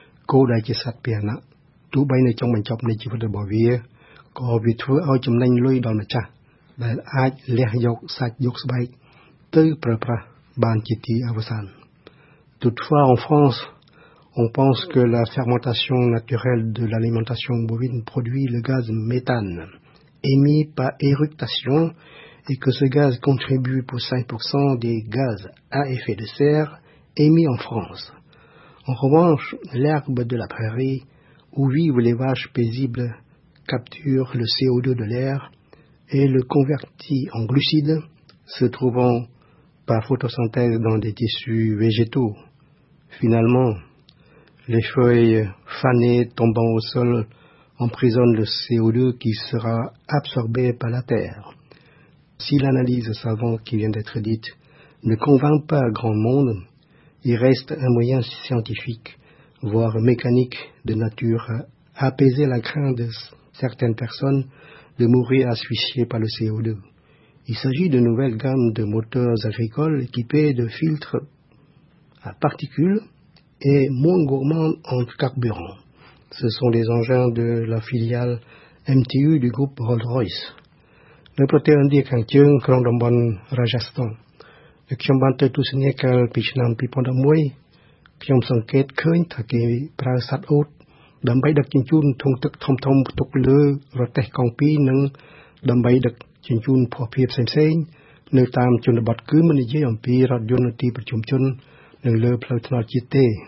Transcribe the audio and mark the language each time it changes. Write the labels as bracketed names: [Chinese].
[Khmer] គោដែលជាសត្វពាហនៈទោះបីនៅចុងបញ្ចប់នៃជីវិតរបស់វាក៏វាធ្វើឲ្យចំណេញលុយដល់ម្ចាស់ដែលអាចលះយកសាច់យកស្បែកទៅប្រើប្រាស់បានជាទីអវសាន [French] Toutefois en France on pense que la fermentation naturelle de l'alimentation bovine produit le gaz méthane émis par éructation et que ce gaz contribue pour 5% des gaz à effet de serre émis en France. En revanche, l'herbe de la prairie, où vivent les vaches paisibles, capture le CO2 de l'air et le convertit en glucides, se trouvant par photosynthèse dans des tissus végétaux. Finalement, les feuilles fanées tombant au sol emprisonnent le CO2 qui sera absorbé par la terre. Si l'analyse savante qui vient d'être dite ne convainc pas grand monde, il reste un moyen scientifique, voire mécanique, de nature à apaiser la crainte de certaines personnes de mourir asphyxiées par le CO2. Il s'agit de nouvelles gammes de moteurs agricoles équipés de filtres à particules et moins gourmands en carburant. Ce sont des engins de la filiale MTU du groupe Rolls-Royce. [Khmer] នៅប្រទេសឥណ្ឌាខាងជើងក្នុងតំបន់រាជស្ថានដែលខ្ញុំបានទៅទស្សនាកាលពីឆ្នាំ2011ខ្ញុំសង្កេតឃើញថាគេប្រើសត្វអូតដើម្បីដឹកជញ្ជូនធុងទឹកធំៗផ្ទុកលើរទេះកង់ពីរនិងដើម្បីដឹកជញ្ជូនភស្តុភារផ្សេងៗនៅតាមជនបទគឺមិននិយាយអំពីរថយន្តនៅទីប្រជុំជននិងលើផ្លូវថ្នល់ជាតិទេ